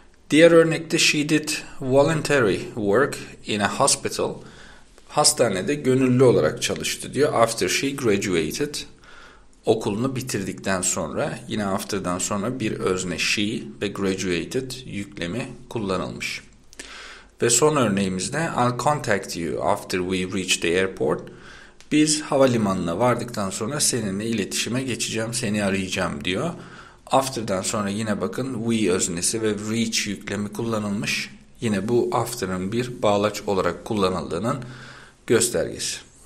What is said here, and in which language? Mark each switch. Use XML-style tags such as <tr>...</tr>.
<tr>Diğer örnekte</tr> <en>she did voluntary work in a hospital.</en> <tr>Hastanede gönüllü olarak çalıştı diyor.</tr> <en>After she graduated,</en> <tr>okulunu bitirdikten sonra, yine after'dan sonra bir özne she ve graduated yüklemi kullanılmış. Ve son örneğimizde</tr> <en>I'll contact you after we reach the airport.</en> <tr>Biz havalimanına vardıktan sonra seninle iletişime geçeceğim, seni arayacağım diyor. After'dan sonra yine bakın we öznesi ve reach yüklemi kullanılmış. Yine bu after'ın bir bağlaç olarak kullanıldığının göstergesi.</tr>